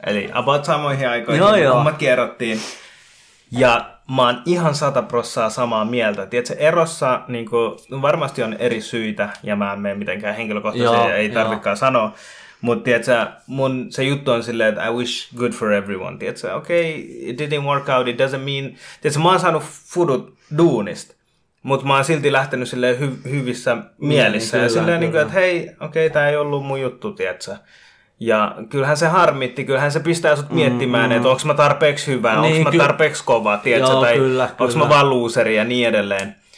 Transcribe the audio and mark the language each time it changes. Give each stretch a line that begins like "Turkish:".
Finnish: Eli about samoihin aikoihin, kummat kierrottiin. Ja mä oon ihan 100% samaa mieltä. Tiedätkö, erossa niin kuin, varmasti on eri syitä, ja mä en mene mitenkään henkilökohtaisesti, ja ei tarvikaan sanoa. Mutta tiedätkö, mun se juttu on silleen, että
English: I wish good for everyone.
Finnish: Tiedätkö, okei,
English: okay, it didn't work out, it doesn't mean...
Finnish: Tiedätkö, mä oon saanut fudut duunista, mutta mä oon silti lähtenyt silleen hyvissä mielissä. Niin, ja kyllä, silleen, kyllä. Niin kuin, että hei, okei, tää ei ollut mun juttu, tiedätkö. Ja kyllähän se harmitti, kyllähän se pistää sut miettimään, että onko mä tarpeeksi hyvä, niin, onko mä tarpeeksi kova, tiedätkö, tai onko mä vaan looseri ja niin edelleen.